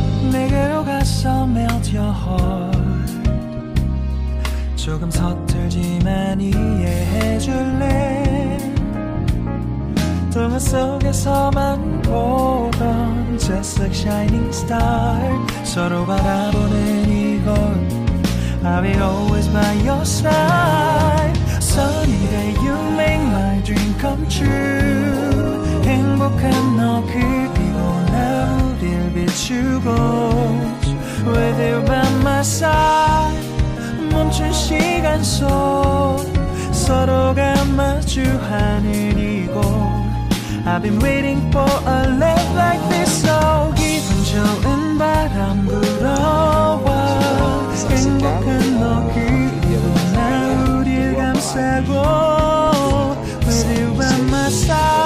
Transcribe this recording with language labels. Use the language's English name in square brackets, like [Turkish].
[Korean] 내게로 가서 [English] melt your heart. [Korean] 조금 서툴지만 이해해줄래. 동화 속에서만 보던 [English] just like shining star [Korean] 서로 바라보는 이곳 [English] I'll be always by your side. Sunny day you make my dream come true. [Korean] 행복한 너 그리고 나 우릴 비추고 [English] with you by my side [Korean] 멈춘 시간 속 서로가 마주하는 이곳. [English] I've been waiting for a love like this so [Korean] 기분 좋은 바람 불어와 행복한 너 그리고 나 우릴 감싸고 [English] with you by my side